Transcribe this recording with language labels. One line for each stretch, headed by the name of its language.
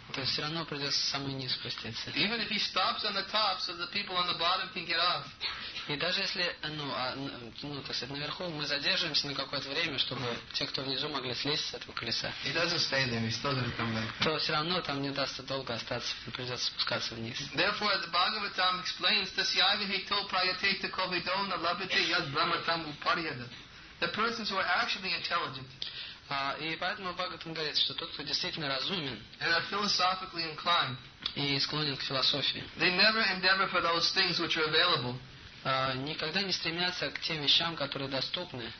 Russian: То есть все равно придется самый низ спуститься.
English: Even if he stops on the top, so the people on the bottom can get off.
Russian: И даже если, так сказать, наверху мы задерживаемся на какое-то время, чтобы те, кто внизу, могли слезть с этого колеса.
English: He doesn't stay there, he's still gonna come back.
Russian: То все равно там не удастся долго остаться, придется спускаться вниз.
English: Therefore, the Bhagavatam explains that
Sanskrit: Yavihi told Prayateh to Kovidona Labhate Yad Brahmatam Upariyada.
English: The persons who are actually intelligent.
Russian: И поэтому Бхагаватам говорит, что тот, кто действительно разумен
English: and are philosophically inclined,
Russian: и склонен к философии,
English: they never endeavor for those things which are available.
Russian: Никогда не стремятся к тем вещам, которые доступны.